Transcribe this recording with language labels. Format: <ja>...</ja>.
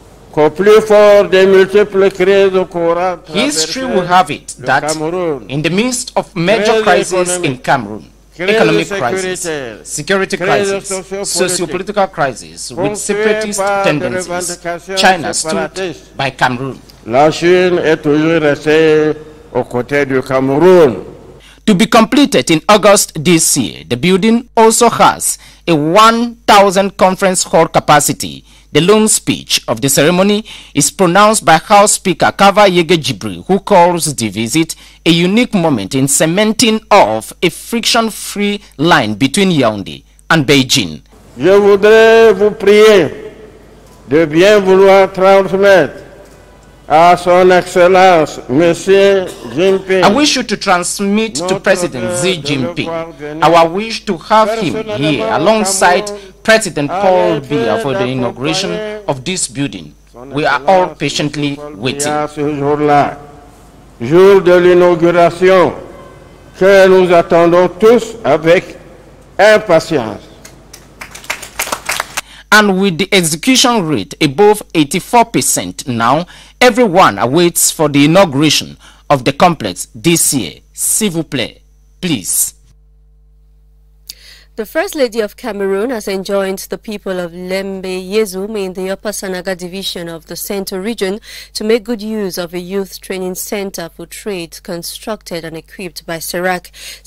<en>History will have it that in the midst of major crises in Cameroon, economic crisis, security crisis, socio-political crisis with separatist tendencies, China stood by Cameroon.</en> <fr>La Chine est toujours restée aux côtés du Cameroun.</fr> <en>To be completed in August this year, the building also has a 1,000 conference hall capacity. The lone speech of the ceremony is pronounced by House Speaker Kavayege Jibril, who calls the visit a unique moment in cementing of a friction-free line between Yaoundé and Beijing.</en> <fr>Je voudrais vous prier de bien vouloir transmettre à son Excellence Monsieur Jinping.</fr> <en>I wish you to transmit to President Xi Jinping our wish to have him here alongside President Paul Biya for the inauguration of this building. We are all patiently waiting.</en> <fr>Ce jour-là, jour de l'inauguration, que nous attendons tous avec impatience.</fr> <en>and with the execution rate above 84% now, everyone awaits for the inauguration of the complex this year.</en> <fr>S'il vous plaît,</fr> <en>please. The First Lady of Cameroon has enjoined the people of Lembe Yesoum in the Upper Sanaga Division of the Centre Region to make good use of a youth training centre for trade constructed and equipped by CERAC.</en>